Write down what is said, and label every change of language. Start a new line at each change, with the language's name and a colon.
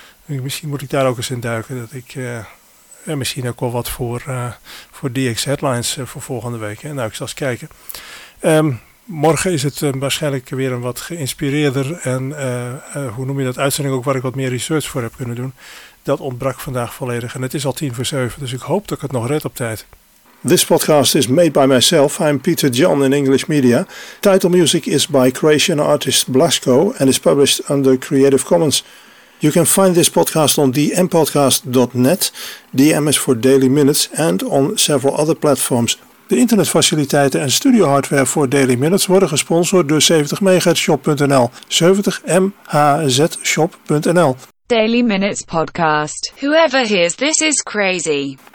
Dutch: Misschien moet ik daar ook eens in duiken. Dat ik misschien ook wel wat voor DX Headlines voor volgende week. Hè. Nou, ik zal eens kijken. Morgen is het waarschijnlijk weer een wat geïnspireerder en hoe noem je dat, uitzending ook waar ik wat meer research voor heb kunnen doen. Dat ontbrak vandaag volledig en het is al 7:10, dus ik hoop dat ik het nog red op tijd.
English: This podcast is made by myself, I'm Peter John in English Media. Title music is by Croatian artist Blasco and is published under Creative Commons. You can find this podcast on dmpodcast.net, DM is for Daily Minutes, and on several other platforms.
Dutch: De internetfaciliteiten en studio hardware voor Daily Minutes worden gesponsord door 70MHzShop.nl. 70MHzShop.nl.
English: Daily Minutes Podcast. Whoever hears this is crazy.